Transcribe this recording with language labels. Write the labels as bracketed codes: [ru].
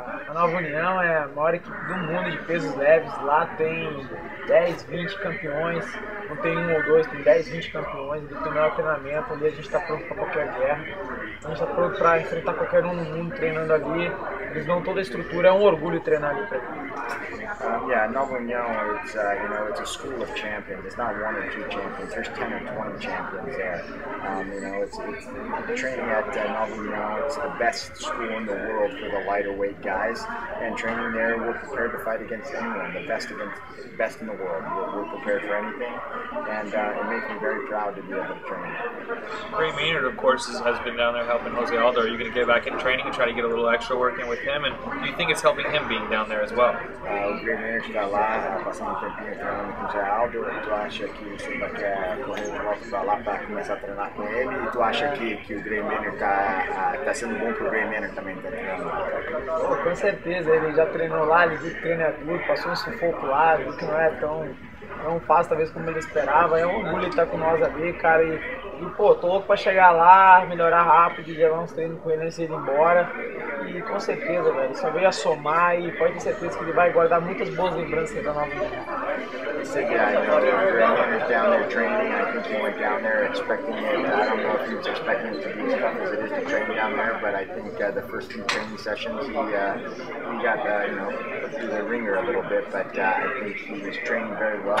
[pt] A Nova Union é a maior equipe do mundo de pesos leves. Lá tem 10, 20 campeões. Não tem um ou dois, tem 10, 20 campeões. Do primeiro treinamento ali, a gente está pronto para qualquer guerra. A gente está pronto para enfrentar qualquer um no mundo treinando ali. Eles dão toda a estrutura, é um orgulho treinar ali para eles. [en] Yeah, Nova Union, it's, you know, it's a school of champions. It's not one or two champions. There's 10 or 20 champions there. You know, it's training at Nova Union, it's the best school in the world for the lighter weight guys. And training there, we're prepared to fight against anyone, the best best in the world. We're prepared for anything. And it makes me very proud to be able to train. Great Maynard, of course, has been down there helping Jose Aldo. Are you going to get back in training and try to get a little extra work in with him? And do you think it's helping him being down there as well? [pt] Great Maynard está lá, passando um tempinho treinando com o Jose Aldo. E tu acha que você vai querer correr de volta para lá para começar a treinar com ele? E tu acha que o Great Maynard tá sendo bom para o Great Maynard também estar treinando lá? Com certeza, ele já treinou lá, ele viu que treino é duro, passou um sufoco lá, viu que não é tão... Não faz talvez como ele esperava, é um orgulho estar com nós ali, cara, e pô, tô louco pra chegar lá, melhorar rápido, levar uns treinos com ele antes de ir embora, e com certeza, velho, só veio a somar e pode ter certeza que ele vai guardar muitas boas lembranças da Nova Vida. [en] Esse guy, I know that Grand Manor's down there training. I think he went down there expecting it. I don't know if he was expecting it to be as tough as it is to train down there, but I think the first two training sessions, he got through the ringer a little bit, but I think he was training very well.